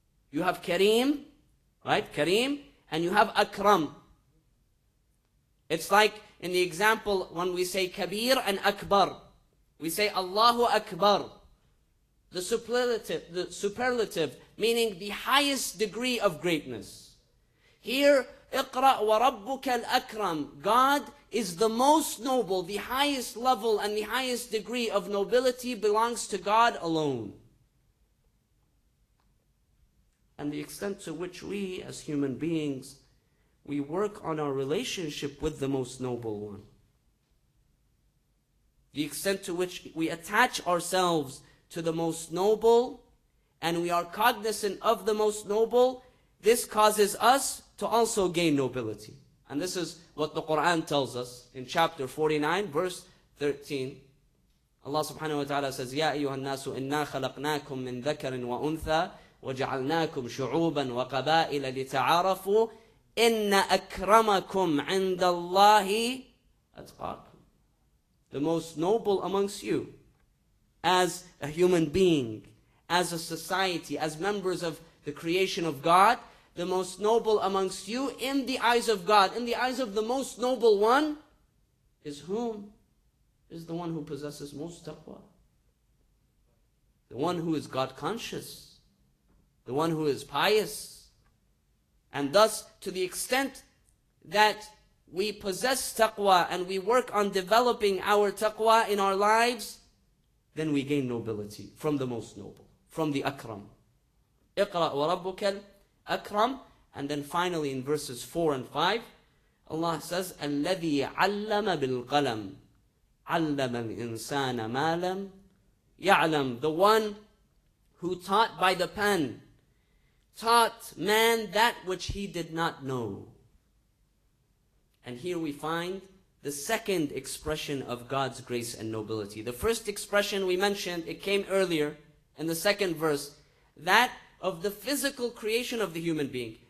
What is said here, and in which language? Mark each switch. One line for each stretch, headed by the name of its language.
English: You have Kareem, right? Kareem, and you have Akram. It's like in the example when we say Kabir and Akbar. We say Allahu Akbar. The superlative, meaning the highest degree of greatness. Here,
Arabic: اقرأ وربك الأكرم.
English: God is the most noble, the highest level and the highest degree of nobility belongs to God alone. And the extent to which we, as human beings, we work on our relationship with the most noble one. The extent to which we attach ourselves to the most noble and we are cognizant of the most noble, this causes us to also gain nobility. And this is what the Quran tells us in chapter 49, verse 13. Allah subhanahu wa ta'ala says,
Arabic: يَا أَيُّهَا النَّاسُ إِنَّا خَلَقْنَاكُمْ مِنْ ذَكَرٍ وَأُنْثَى وَجَعَلْنَاكُمْ شُعُوبًا وَقَبَائِلَ لِتَعَارَفُوا إِنَّ أَكْرَمَكُمْ عِنْدَ اللَّهِ أَتْقَاكُمْ.
English: The most noble amongst you, as a human being, as a society, as members of the creation of God, the most noble amongst you in the eyes of God, in the eyes of the most noble one, is whom? Is the one who possesses most taqwa. The one who is God conscious. The one who is pious. And thus, to the extent that we possess taqwa and we work on developing our taqwa in our lives, then we gain nobility from the most noble, from the akram.
Arabic: اقرأ وربك
English: Akram, and then finally in verses 4 and 5, Allah says,
Arabic: الَّذِي عَلَّمَ بِالْقَلَمِ عَلَّمَ الْإِنسَانَ مَا لَمْ يَعْلَمْ.
English: The one who taught by the pen, taught man that which he did not know. And here we find the second expression of God's grace and nobility. The first expression we mentioned, it came earlier in the second verse, that of the physical creation of the human being.